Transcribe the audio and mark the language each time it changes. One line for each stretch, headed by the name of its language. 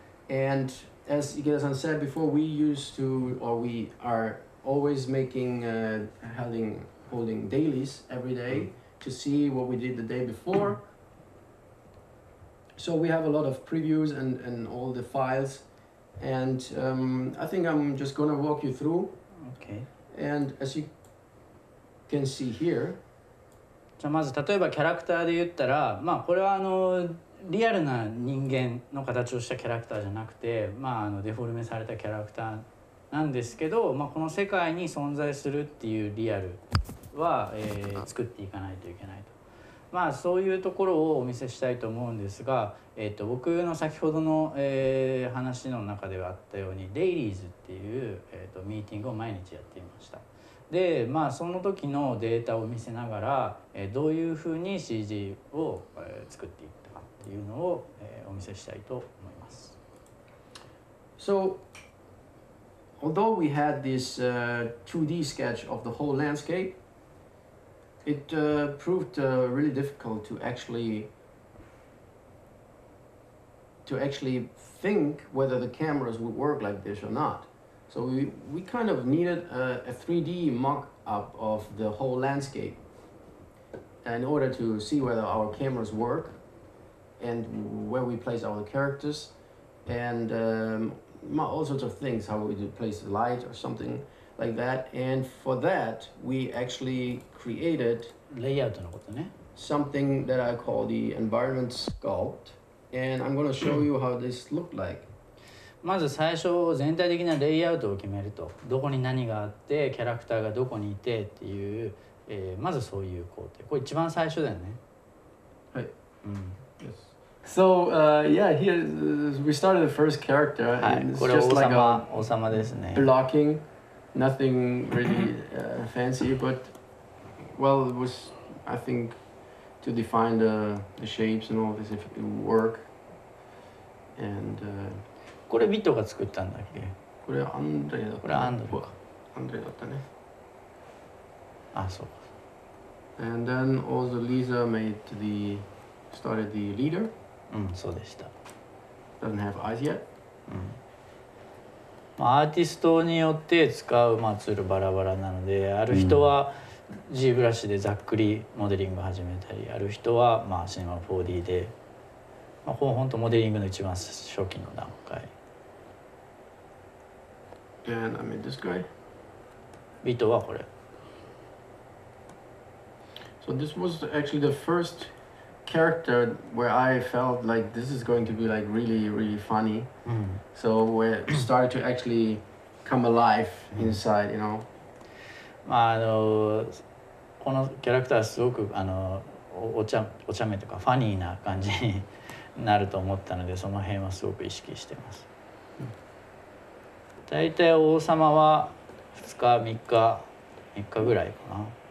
English: And as Ikeda-san said before, we are always holding dailies every day to see what we did the day before. So we have a lot of previews and all the files. And I think I'm just going to walk you through. Okay. And as you can see here.
Japanese: じゃあまず例えばキャラクターで言ったら、まあこれはあのリアルな人間の形をしたキャラクターじゃなくて、まああのデフォルメされたキャラクターなんですけど、まあこの世界に存在するっていうリアルは、作っていかないといけないと。まあそういうところをお見せしたいと思うんですが、僕の先ほどの、話の中ではあったように、デイリーズっていう、ミーティングを毎日やっていました。で、まあその時のデータを見せながら、どういうふうに CG を、作っていったかっていうのを、お見せしたいと思います。
English: So, although we had this 2D sketch of the whole landscape, it proved really difficult to actually think whether the cameras would work like this or not. So we kind of needed a 3D mock-up of the whole landscape in order to see whether our cameras work and where we place our characters and all sorts of things, how we do place the light or something like that. And for that, we actually created
Japanese: Layout のことね。
English: something that I call the environment sculpt. And I'm going to show you how this looked like.
Japanese: まず最初全体的なレイアウトを決めると、どこに何があってキャラクターがどこにいてっていう、まずそういう工程、これ一番最初だよね。はい、うん、
English: yes. So yeah, here we started the first character.
Japanese: はい、これ王様ですね。
English: Blocking, nothing really fancy, but well, it was I think to define the shapes and all this if it would work and
Japanese: これビトが作ったんだっけ？これアンドレだった、ね。これアンドレか。アンドレだったね。あ、そう。
English: And then also Lisa started the leader.
Japanese: うん、そうでした。
English: Doesn't have eyes yet.
Japanese: うん。まあアーティストによって使うまあツールバラバラなので、ある人は G ブラシでざっくりモデリング始めたり、ある人はまあCinema 4D で、まあ本当モデリングの一番初期の段階。
English: And I made this guy.
Japanese: Vito はこれ。
English: So this was actually the first character where I felt like this is going to be like really, really funny. Mm-hmm. So where it started to actually come alive inside, you know.
Japanese: まああのこのキャラクターすごくあのお茶目とかファニーな感じになると思ったので、その辺はすごく意識してます。大体王様は2日、3日、3日ぐらいかな。